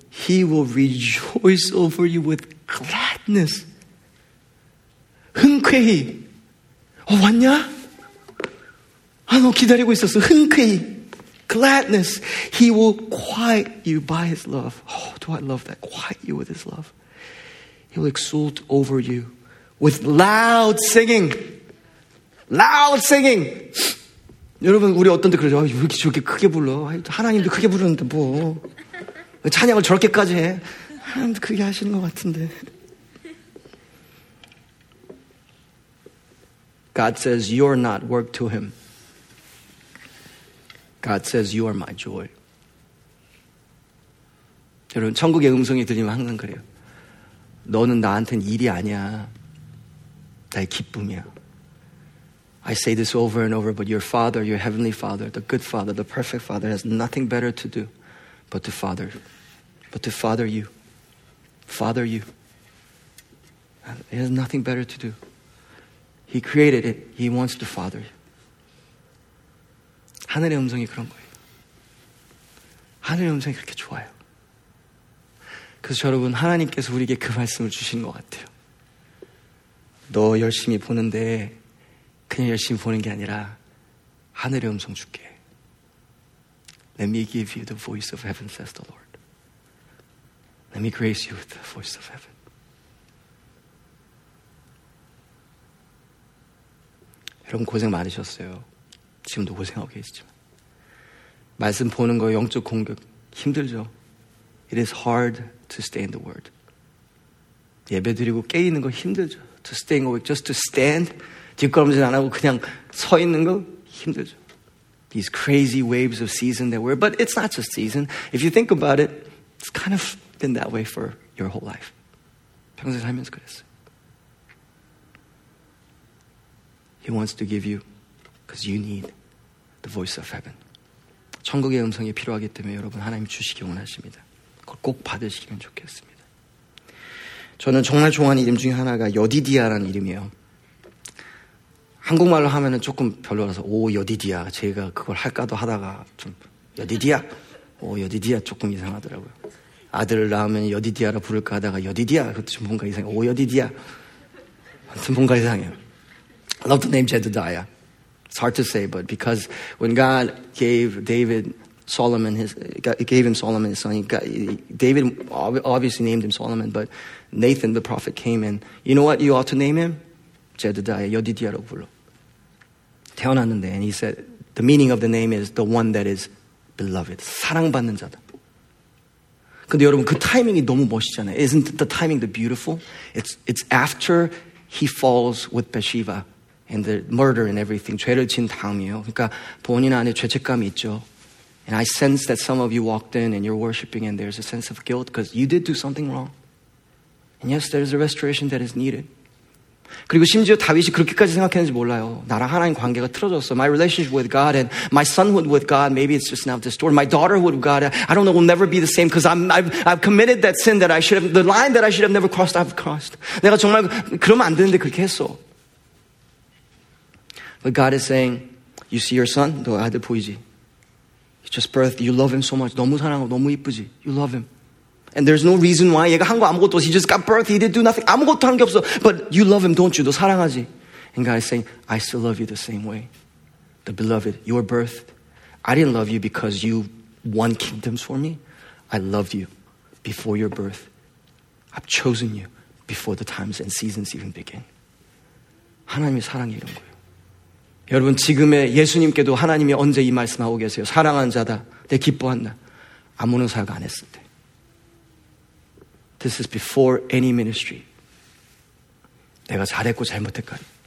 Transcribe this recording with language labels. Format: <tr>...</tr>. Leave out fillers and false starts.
<en>He will rejoice over you with gladness.</en> <ko>흔쾌히. 어, 왔냐? 아, 너 기다리고 있었어. 흔쾌히.</ko> <en>Gladness. He will quiet you by his love. Oh, do I love that. Quiet you with his love. He will exult over you with loud singing. Loud singing.</en> <ko>여러분, 우리 어떤 데 그러죠? 아, 왜 이렇게 저렇게 크게 불러? 하나님도 크게 부르는데 뭐. 왜 찬양을 저렇게까지 해? 하나님도 크게 하시는 것 같은데.</ko> <en>God says, you're not work to him. God says, you are my joy.</en> <ko>여러분, 천국의 음성이 들리면 항상 그래요. 너는 나한테는 일이 아니야. 나의 기쁨이야.</ko> <en>I say this over and over, but your Father, your Heavenly Father, the Good Father, the Perfect Father, has nothing better to do but to Father you. Father you. He has nothing better to do. He created it. He wants to Father you.</en> <ko>하늘의 음성이 그런 거예요. 하늘의 음성이 그렇게 좋아요. 그래서 여러분 하나님께서 우리에게 그 말씀을 주신 것 같아요. 너 열심히 보는데 그냥 열심히 보는 게 아니라 하늘의 음성 줄게.</ko> <en>Let me give you the voice of heaven, says the Lord. Let me grace you with the voice of heaven.</en> <ko>여러분 고생 많으셨어요. 지금도 고생하고 계시지만. 말씀 보는 거 영적 공격 힘들죠?</ko> <en>It is hard to stay in the word.</en> <ko>예배 드리고 깨이는 거 힘들죠?</ko> <en>To stay awake, just to stand,</en> <ko>뒷걸음질 안 하고 그냥 서 있는 거 힘들죠?</ko> <en>These crazy waves of season that we're, but it's not just season. If you think about it, it's kind of been that way for your whole life.</en> <ko>평생 살면서 그랬어요.</ko> <en>He wants to give you, because you need the voice of heaven.</en> <ko>천국의 음성이 필요하기 때문에 여러분 하나님 주시기 원하십니다. 그걸 꼭 받으시기면 좋겠습니다. 저는 정말 좋아하는 이름 중에 하나가 여디디아라는 이름이에요. 한국말로 하면은 조금 별로라서 오 여디디아 제가 그걸 할까도 하다가 좀 여디디아 오 여디디아 조금 이상하더라고요. 아들을 낳으면 여디디아라 부를까 하다가 여디디아 그것도 좀 뭔가 이상해. 오 여디디아 아무튼 뭔가 이상해요.</ko> <en>I love the name Jedidiah. It's hard to say, but because when God gave David Solomon, David obviously named him Solomon, but Nathan the prophet came in. You know what you ought to name him? Jedidiah,</en> <ko>여디디아로 불러. 태어났는데,</ko> <en>and he said, the meaning of the name is the one that is beloved.</en> <ko>사랑받는 자다. 근데 여러분, 그 타이밍이 너무 멋있잖아요.</ko> <en>Isn't the timing the beautiful? It's after he falls with Bathsheba. And the murder and everything.</en> <ko>죄를 진 다음이에요. 그러니까 본인 안에 죄책감이 있죠.</ko> <en>And I sense that some of you walked in and you're worshiping and there's a sense of guilt because you did do something wrong. And yes, there is a restoration that is needed.</en> <ko>그리고 심지어 다윗이 그렇게까지 생각했는지 몰라요. 나랑 하나님 관계가 틀어졌어.</ko> <en>My relationship with God and my sonhood with God, maybe it's just now distorted. My daughterhood with God, I don't know, will never be the same because I've committed that sin that I should have, the line that I should have never crossed, I've crossed.</en> <ko>내가 정말 그러면 안 되는데 그렇게 했어.</ko> <en>But God is saying, you see your son?</en> <ko>너 아들 보이지?</ko> <en>He just birthed. You love him so much.</en> <ko>너무 사랑하고 너무 이쁘지?</ko> <en>You love him. And there's no reason why</en> <ko>얘가 한 거 아무것도 없어.</ko> <en>He just got birth. He didn't do nothing.</en> <ko>아무것도 한 게 없어.</ko> <en>But you love him, don't you?</en> <ko>너 사랑하지?</ko> <en>And God is saying, I still love you the same way. The beloved, your birth. I didn't love you because you won kingdoms for me. I loved you before your birth. I've chosen you before the times and seasons even begin.</en> <ko>하나님의 사랑이 이런 거예요. 여러분, 지금의 예수님께도 하나님이 언제 이 말씀하고 계세요? 사랑한 자다. 내 기뻐한 나. 아무런 사역 안 했을 때.</ko> <en>This is before any ministry.</en> <ko>내가 잘했고 잘못했거든.</ko>